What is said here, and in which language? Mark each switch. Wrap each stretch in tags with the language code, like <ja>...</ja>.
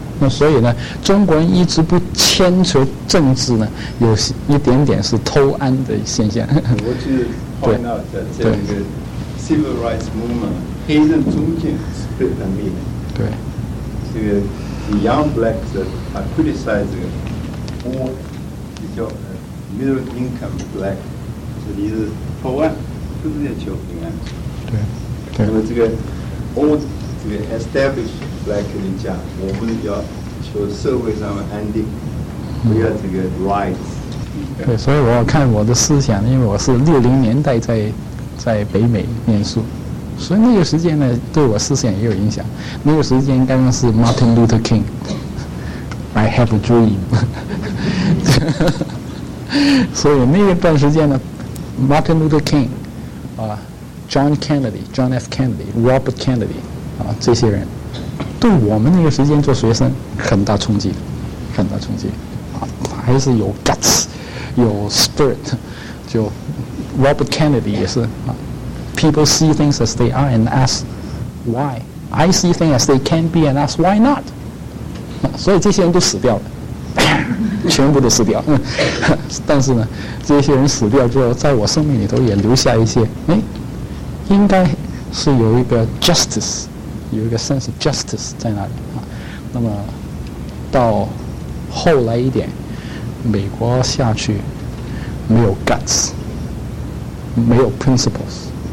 <zh>那所以呢，中国人一直不牵扯政治呢，有一点点是偷安的现象。我就</zh> <en>point out</en> <zh>在这个</zh> <en>civil rights movement</en> <zh>黑人中间是非常厉害，对，这个</zh> <en>young blacks are criticizing poor</en> <zh>比较</zh> <en>middle income black，</en> <zh>这里是破案，不是要求平安。对，那么这个 old 这个</zh> <en>established black</en> <zh>人家，我们要求社会上的安定，不要这个 rights。对，所以我要看我的思想，因为我是60年代在北美念书。所以那个时间呢，对我思想也有影响。那个时间刚刚是 Martin Luther King，</zh> <en>I have a dream。</en> <zh>所以那一段时间呢， Martin Luther King、John Kennedy， John F. Kennedy， Robert Kennedy、这些人对我们那个时间做学生很大冲击，很大冲击、还是有 guts， 有 spirit， 就 Robert Kennedy 也是啊。</zh> <en>People see things as they are and ask why. I see things as they can be and ask why not.</en> <zh>所以这些人都死掉了，全部都死掉。但是呢，这些人死掉之后，在我生命里头也留下一些，应该是有一个 justice， 有一个</zh> <en>sense of justice</en> <zh>在那里。那么到后来一点，美国下去没有 guts， 没有 principles。</zh>